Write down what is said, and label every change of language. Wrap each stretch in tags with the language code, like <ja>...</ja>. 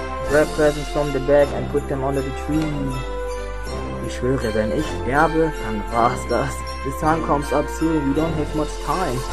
<en>Grab presents from the bag and put them under the tree.</en> <de>Ich schwöre, wenn ich sterbe, dann war's das.</de> <en>The sun comes up soon, we don't have much time.</en>